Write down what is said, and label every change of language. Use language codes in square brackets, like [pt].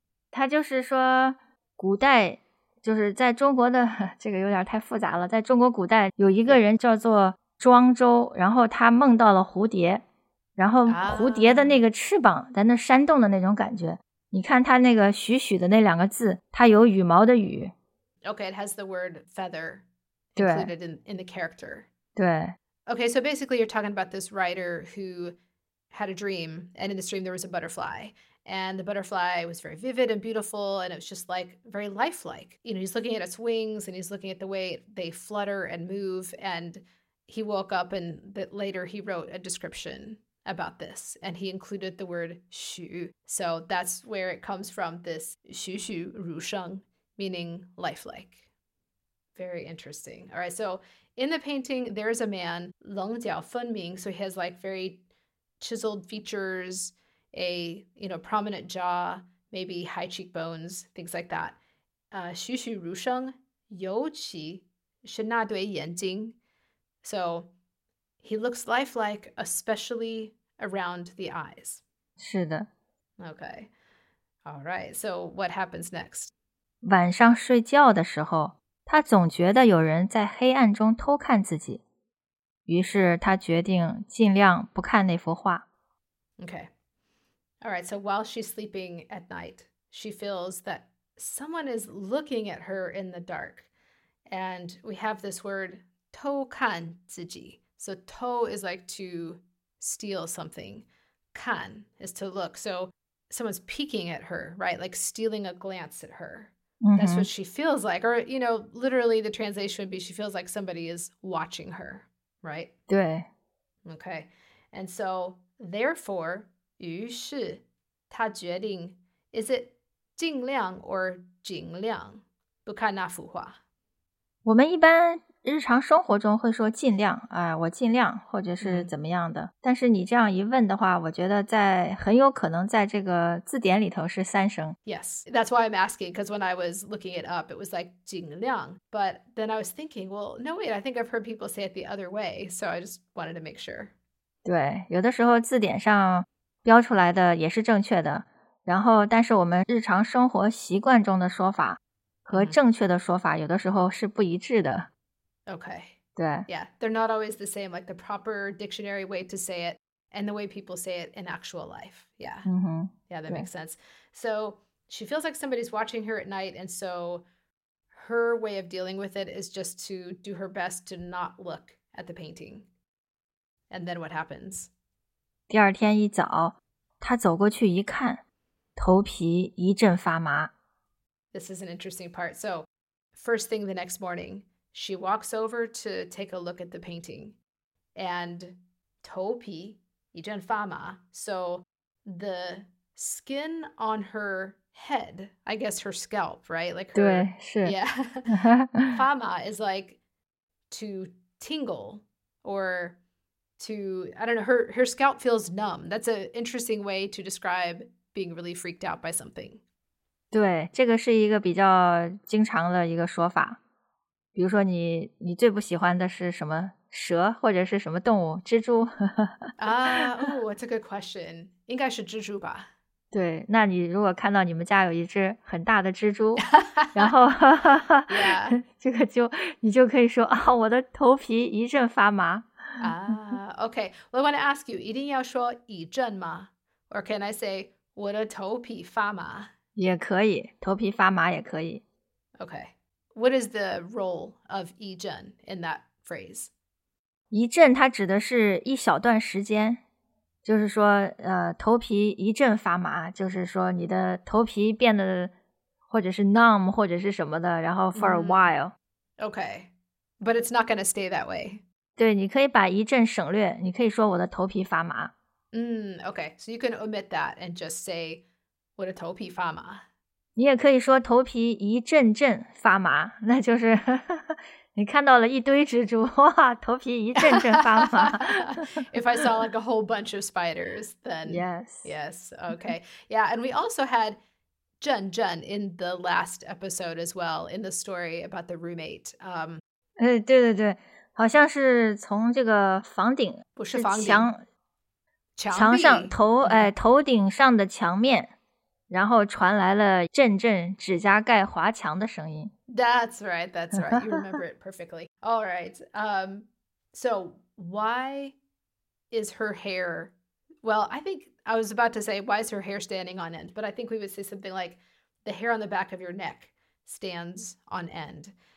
[zh] 它就是说古代，就是在中国的，这个有点太复杂了，在中国古代有一个人叫做庄周，然后他梦到了蝴蝶，然后蝴蝶的那个翅膀在那扇动的那种感觉。你看他那个栩栩的那两个字，它有羽毛的羽。 [en] Okay, it has the word feather included in the character. [zh] 对。 [en] Okay, so basically you're talking about this writer who had a dream, and in this dream there was a butterfly. And the butterfly was very vivid and beautiful, and it was just like very lifelike. You know, he's looking at its wings, and he's looking at the way they flutter and move, and he woke up and that later he wrote a description about this and he included the word 栩. So that's where it comes from, this [zh] 栩栩如生, [en] meaning lifelike. Very interesting. All right, so in the painting, there is a man, [zh] 棱角分明, [en] so he has like very chiseled features, a, you know, prominent jaw, maybe high cheekbones, things like that. [zh] 栩栩如生, 尤其是那对眼睛, [en] so he looks lifelike, especially around the eyes. [zh] 是的。 [en] Okay. All right. So what happens next? [zh] 晚上睡觉的时候，他总觉得有人在黑暗中偷看自己。于是他决定尽量不看那幅画。 [en] Okay. All right. So while she's sleeping at night, she feels that someone is looking at her in the dark. And we have this word, [zh] 偷看自己. [en] So 偷 is like to steal something. 看 is to look. So someone's peeking at her, right? Like stealing a glance at her. Mm-hmm. That's what she feels like. Or, you know, literally the translation would be she feels like somebody is watching her, right? [zh] 对. [en] Okay. And so therefore, [zh] 于是她决定, [en] is it 尽量 or [zh] 尽量不看那幅画? 我们一般日常生活中会说尽量，哎，我尽量或者是怎么样的。但是你这样一问的话，我觉得在很有可能在这个字典里头是三声。 [en] Yes, that's why I'm asking, because when I was looking it up, it was like 尽量. But then I was thinking, well, no, wait, I think I've heard people say it the other way. So I just wanted to make sure. [zh] 对，有的时候字典上标出来的也是正确的。然后但是我们日常生活习惯中的说法和正确的说法有的时候是不一致的。 [en] Okay. [zh] 对。 [en] Yeah, they're not always the same, like the proper dictionary way to say it. and the way people say it in actual life. Yeah. Mm-hmm. Yeah, that makes sense. So she feels like somebody's watching her at night. And so her way of dealing with it is just to do her best to not look at the painting. And then what happens? [zh] 第二天一早，她走过去一看，头皮一阵发麻。 [en] This is an interesting part. So first thing the next morning, she walks over to take a look at the painting. And [zh] 头皮一阵发麻. [en] So the skin on her head, I guess her scalp, right? Like her, [zh] 对，是。 [en] Yeah. 发麻 is like to tingle or to, I don't know, her scalp feels numb. That's an interesting way to describe being really freaked out by something. [zh] 对，这个是一个比较经常的一个说法。比如说你最不喜欢的是什么蛇或者是什么动物，蜘蛛。 [en] that's a good question. [zh] 应该是蜘蛛吧。对，那你如果看到你们家有一只很大的蜘蛛，然后 [en] <Yeah. [zh] S 1> 这个就你就可以说啊，我的头皮一阵发麻。 [en] okay. Well, I want to ask you, [zh] 一定要说一阵吗？ [en] Or can I say, [zh] 我的头皮发麻？也可以，头皮发麻也可以。 [en] Okay. What is the role of 一阵 in that phrase? [zh] 一阵它指的是一小段时间，就是说头皮一阵发麻，就是说你的头皮变得或者是 numb 或者是什么的，然后 [en] for a while. Okay. But it's not going to stay that way. [zh] 对，你可以把一阵省略，你可以说我的头皮发麻。 [en] Okay. So you can omit that and just say, [zh] 我的头皮发麻。你也可以说头皮一阵阵发麻，那就是你看到了一堆蜘蛛，哇，头皮一阵阵发麻。 [en] If I saw like a whole bunch of spiders, then yes, okay, yeah. And we also had 阵阵 in the last episode as well in the story about the roommate. [zh] 对对对，好像是从这个房顶，不是房顶，墙上头，头顶上的墙面。然后传来了阵阵指甲盖滑墙的声音。 [en] That's right. You remember it perfectly. All right. So why is her hair? Well, I think I was about to say, why is her hair standing on end? But I think we would say something like the hair on the back of your neck stands on end.